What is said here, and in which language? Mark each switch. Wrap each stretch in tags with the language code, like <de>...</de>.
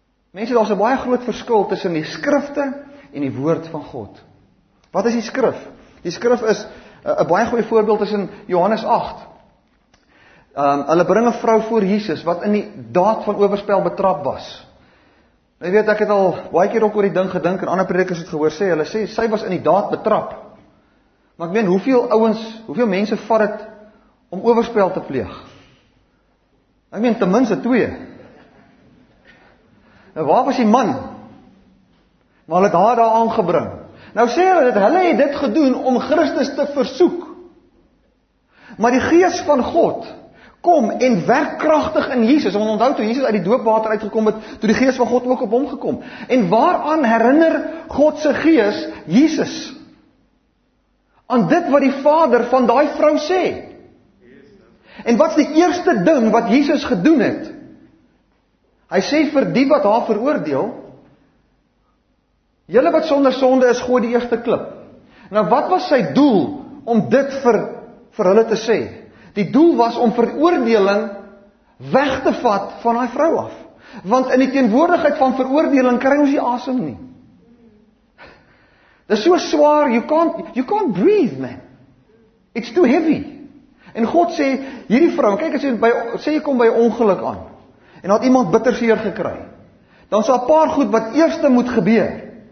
<af>Mense, daar is 'n baie groot verskil tussen die skrifte in die woord van God. Wat is die skrif? Die skrif is, 'n baie goeie voorbeeld is in Johannes 8. Hulle bring 'n vrou voor Jesus, wat in die daad van overspel betrap was. Jy weet, ek het al baie keer ook oor die ding gedink, en ander predikers het gehoor sê, hulle sê, sy was in die daad betrap. Maar ek meen, hoeveel mense vat het, om overspel te pleeg? Ek meen, ten minste 2. Nou, waar was die man? Maar hulle het haar daar aangebring. Nou sê hulle dat hulle het dit gedoen om Christus te versoek. Maar die Gees van God kom en werk krachtig in Jesus. Want onthou toe Jesus uit die doopwater uitgekom het, toe die Gees van God ook op hom gekom. En waaraan herinner God se Gees Jesus? Aan dit wat die Vader van daai vrou sê. En wat is die eerste ding wat Jesus gedoen het? Hy sê vir die wat haar veroordeel, julle wat sonder sonde is, gooi die eerste klip. Nou wat was sy doel om dit vir hulle te sê? Die doel was om veroordeling weg te vat van haar vrou af. Want in die teenwoordigheid van veroordeling kry ons nie asem nie. Dis so swaar,</af> <en>you can't breathe, man. It's too heavy.</en> <af>En God sê, hierdie vrou, kyk as jy kom by ongeluk aan, en had iemand bitter seer gekry, dan sal 'n paar goed wat eerste moet gebeur.</af>